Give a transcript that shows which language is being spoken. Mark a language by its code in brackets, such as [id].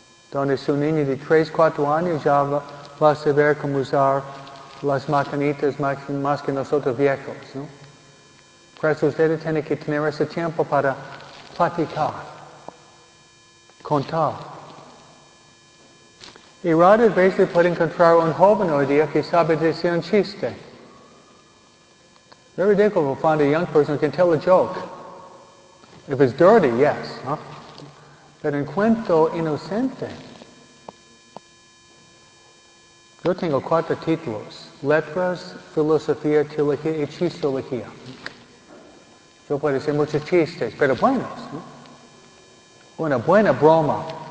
[es] Donde su niño de 3, 4 años ya va a saber cómo usar las maquinitas más que nosotros viejos, ¿no? Por eso ustedes tienen que tener ese tiempo para platicar, contar. Y rara vez se puede encontrar un joven hoy día que sabe decir un chiste. [en] Very difficult to find a young person who can tell a joke. If it's dirty, yes. Huh? [es] Pero en cuento inocente. Yo tengo 4 títulos. Letras, filosofía, teología y chistología. Yo puedo decir muchos chistes, pero buenos. ¿No? Una buena broma.